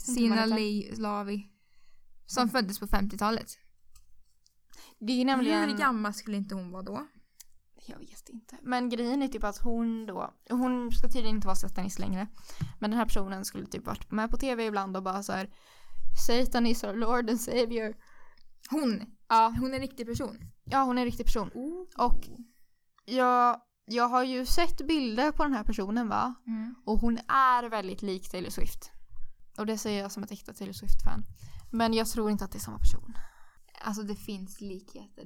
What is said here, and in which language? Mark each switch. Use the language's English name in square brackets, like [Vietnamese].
[Swedish] Sina Levi. Som föddes på 50-talet. Det är nämligen... Hur gammal skulle inte hon vara då? Jag vet inte. Men grejen är typ att hon då... Hon ska tydligen inte vara satanist längre. Men den här personen skulle typ varit med på tv ibland och bara så här... [English] Satan is our Lord and Savior. [Swedish] Hon? Ja. Hon är en riktig person? Ja, hon är en riktig person. Och jag har ju sett bilder på den här personen, va? Mm. Och hon är väldigt lik Taylor Swift. Och det säger jag som ett äkta Taylor Swift-fan. Men jag tror inte att det är samma person. Alltså det finns likheter.